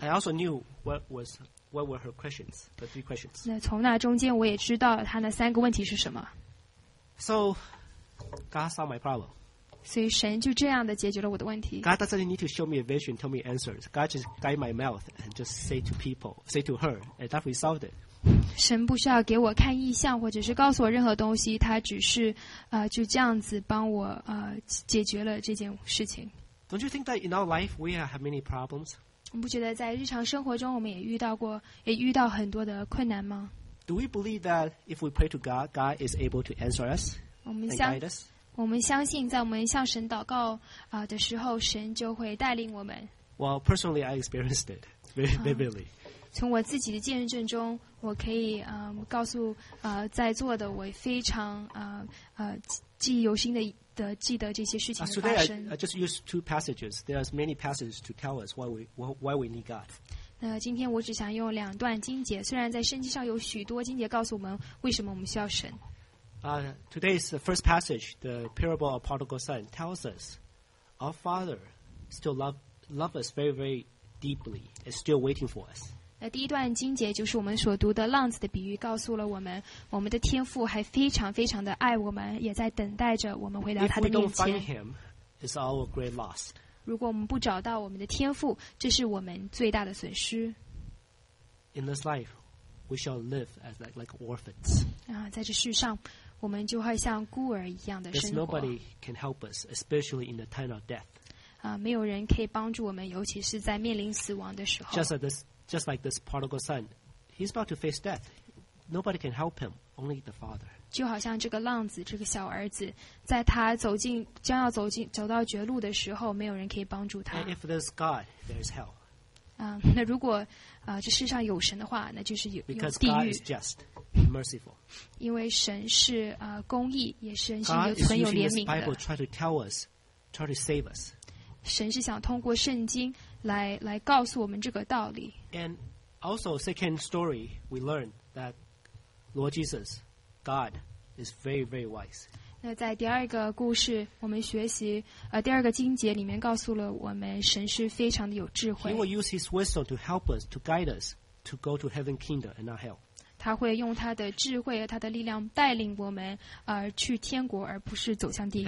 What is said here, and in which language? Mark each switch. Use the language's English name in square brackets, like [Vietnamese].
[English] I also knew what were her questions, the three questions. [Chinese] 那从那中间我也知道他那三个问题是什么。 [English] So God saw my problem. [Chinese] 所以神就这样的解决了我的问题。 [English] God doesn't need to show me a vision, tell me answers. God just guide my mouth and just say to people, say to her, and that we solved it. [Chinese] 神不需要给我看意象或者是告诉我任何东西，他只是就这样子帮我解决了这件事情。 [English] Don't you think that in our life we have many problems? [Chinese] 你不觉得在日常生活中我们也遇到很多的困难吗？ [English] Do we believe that if we pray to God, God is able to answer us and guide us? [Chinese] 我们相信在我们向神祷告的时候，神就会带领我们。 [English] Well, personally, I experienced it very vividly. [Chinese] 从我自己的见证中，我可以告诉在座的，我非常记忆犹新的记得这些事情的发生。 [English] I just use two passages. There are many passages to tell us why we need God. [Chinese] 那今天我只想用两段经节，虽然在圣经上有许多经节告诉我们为什么我们需要神。 [English] Today is the first passage, the parable of prodigal son tells us our father still love us very, very deeply and still waiting for us. [Chinese] 那第一段经节就是我们所读的浪子的比喻，告诉了我们，我们的天父还非常非常的爱我们，也在等待着我们回到他的面前。 [English] If we don't find him, it's our great loss. [Chinese] 如果我们不找到我们的天父，这是我们最大的损失。 [English] In this life, we shall live as like orphans. [Chinese] 在这世上，我们就会像孤儿一样的生活。 [English] There's nobody can help us, especially in the time of death. [Chinese] 没有人可以帮助我们，尤其是在面临死亡的时候。 [English] Just like this prodigal son, he's about to face death. Nobody can help him, only the father. [Chinese] 就好像这个浪子，这个小儿子，在他走到绝路的时候，没有人可以帮助他。 [English] And if there's God, there's hell. [Chinese] 那如果这世上有神的话，那就是有地狱。 [English] Because God is just, merciful. [Chinese] 因为神是公义，也是神是有存有怜悯的。 [English] God is using this Bible to try to tell us, try to save us. [Chinese] 神是想通过圣经来告诉我们这个道理。 [English] And also, second story, we learn that Lord Jesus, God, is very, very wise. [Chinese] 那在第二个故事，我们学习第二个经节里面告诉了我们，神是非常的有智慧。 [English] He will use His wisdom to help us, to guide us, to go to heaven kingdom and not hell. [Chinese] 他会用他的智慧和他的力量带领我们去天国，而不是走向地狱。